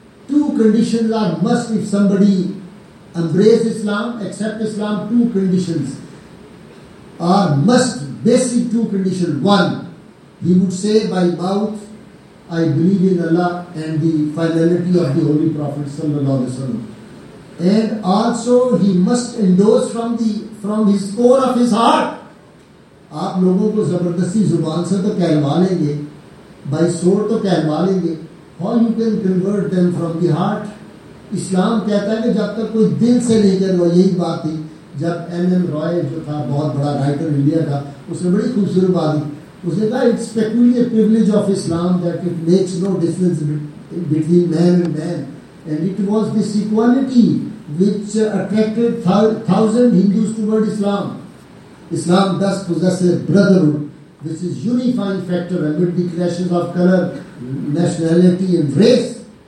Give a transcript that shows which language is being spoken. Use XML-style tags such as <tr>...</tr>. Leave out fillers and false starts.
<en>Two conditions are must if somebody embrace Islam, accept Islam. Two conditions are must, basic two condition. One, he would say by mouth, I believe in Allah and the finality of the holy prophet</en> <ar>सल्लल्लाहु अलैहि वसल्लम.</ar> <en>And also he must endorse from his core of his heart.</en> <hi>आप लोगों को जबरदस्ती जुबान से तो कहलवा लेंगे,</hi> <en>by sword</en> <hi>तो कहलवा लेंगे,</hi> <en>how you can convert them from the heart?</en> <hi>इस्लाम कहता है कि जब तक कोई दिल से नहीं करवा. यही बात थी जब NM Roy जो था बहुत बड़ा राइटर इंडिया का, उसने बड़ी खूबसूरत बात की. उसने कहा,</hi> <en>it's peculiar privilege of Islam that it makes no difference between man and man. And it was this equality which attracted thousand Hindus toward Islam. Islam thus possesses brotherhood, which is unifying factor amid the clashes of color, nationality and race.</en>